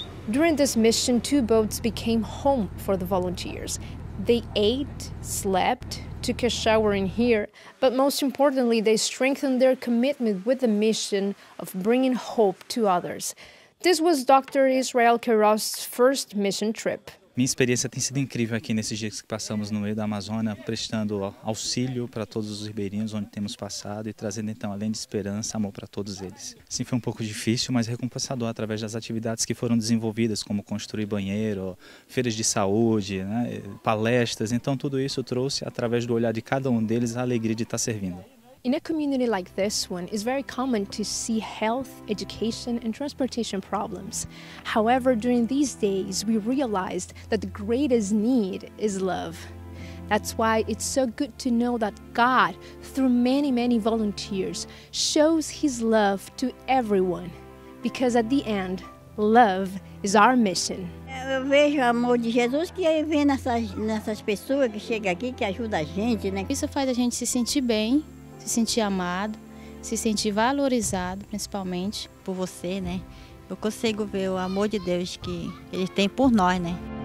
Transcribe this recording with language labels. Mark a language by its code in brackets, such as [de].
[en] During this mission, two boats became home for the volunteers. They ate, slept, took a shower in here, but most importantly, they strengthened their commitment with the mission of bringing hope to others. This was Dr. Israel Queiroz's first mission trip. [pt] Minha experiência tem sido incrível aqui nesses dias que passamos no meio da Amazônia, prestando auxílio para todos os ribeirinhos onde temos passado e trazendo então além de esperança, amor para todos eles. Sim, foi um pouco difícil, mas recompensador através das atividades que foram desenvolvidas, como construir banheiro, feiras de saúde, né, palestras. Então tudo isso trouxe, através do olhar de cada um deles, a alegria de estar servindo. [en] In a community like this one, it's very common to see health, education, and transportation problems. However, during these days, we realized that the greatest need is love. That's why it's so good to know that God, through many, many volunteers, shows His love to everyone. Because at the end, love is our mission. [pt] Eu vejo o amor de Jesus que eu vejo nessas pessoas que chegam aqui, que ajudam a gente, né? Isso faz a gente se sentir bem. Se sentir amado, se sentir valorizado, principalmente por você, né? Eu consigo ver o amor de Deus que ele tem por nós, né?